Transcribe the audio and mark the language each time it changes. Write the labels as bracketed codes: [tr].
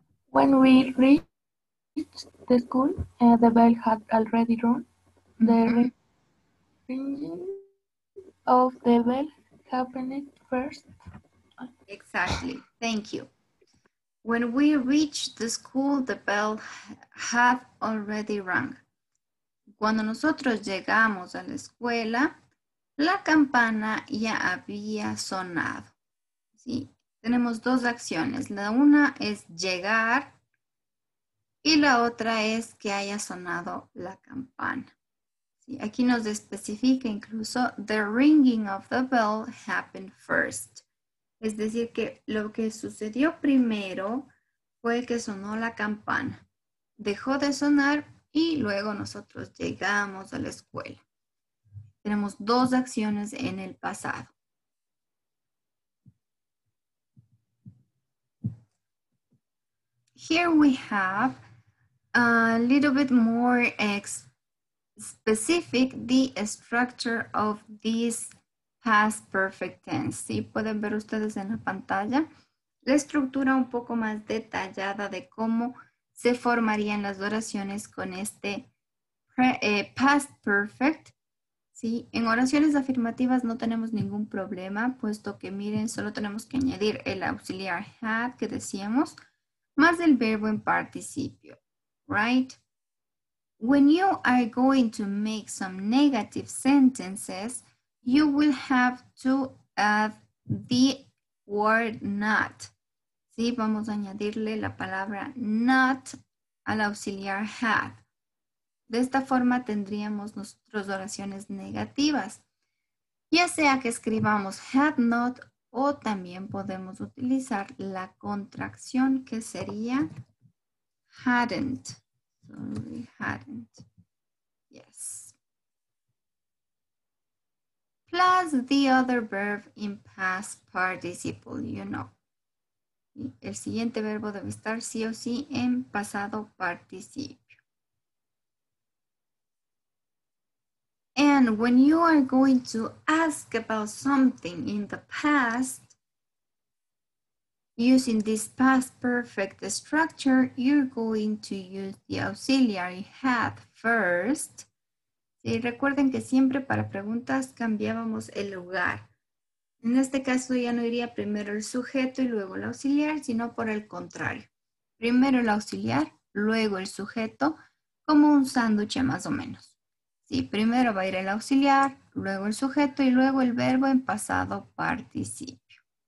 [en] When we reached the school, the bell had already rung. The ringing of the bell happened first. Exactly. Thank you. When we reached the school, the bell had already rung. [es] Cuando nosotros llegamos a la escuela, la campana ya había sonado. Sí, tenemos dos acciones. La una es llegar y la otra es que haya sonado la campana. Sí, aquí nos especifica incluso [en] the ringing of the bell happened first. [es] Es decir, que lo que sucedió primero fue que sonó la campana. Dejó de sonar y luego nosotros llegamos a la escuela. Tenemos dos acciones en el pasado. [en] Here we have a little bit more specific the structure of this past perfect tense. [es] Sí, pueden ver ustedes en la pantalla la estructura un poco más detallada de cómo se formarían las oraciones con este past perfect. Sí, en oraciones afirmativas no tenemos ningún problema, puesto que miren, solo tenemos que añadir el auxiliar had que decíamos, más el verbo en participio, right? [en] When you are going to make some negative sentences, you will have to add the word not. [es] Sí, vamos a añadirle la palabra not al auxiliar had. De esta forma tendríamos nosotros oraciones negativas. Ya sea que escribamos had not, o también podemos utilizar la contracción que sería hadn't. [en] Sorry, hadn't. Yes. Plus the other verb in past participle, you know. [es] El siguiente verbo debe estar sí o sí en pasado participio. [en] And when you are going to ask about something in the past, using this past perfect structure, you're going to use the auxiliary had first. [es] Y recuerden que siempre para preguntas cambiábamos el lugar. En este caso ya no iría primero el sujeto y luego el auxiliar, sino por el contrario. Primero el auxiliar, luego el sujeto, como un sándwich más o menos. Sí, primero va a ir el auxiliar, luego el sujeto y luego el verbo en pasado participio.